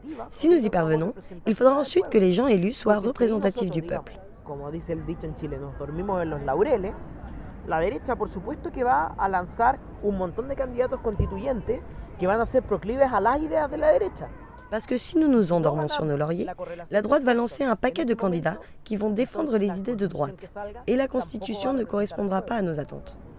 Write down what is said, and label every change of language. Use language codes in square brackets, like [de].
[fr] Si nous y parvenons, il faudra ensuite que les gens élus soient représentatifs du peuple. Comme dit le [es] dicho en Chile, nous dormimos en los laureles. La derecha, por supuesto, que va a lanzar un montón de candidatos constituyentes que van a ser proclives a las ideas de la derecha. [fr] Parce que si nous nous endormons sur nos lauriers, la droite va lancer un paquet de candidats qui vont défendre les idées de droite. Et la Constitution ne correspondra pas à nos attentes.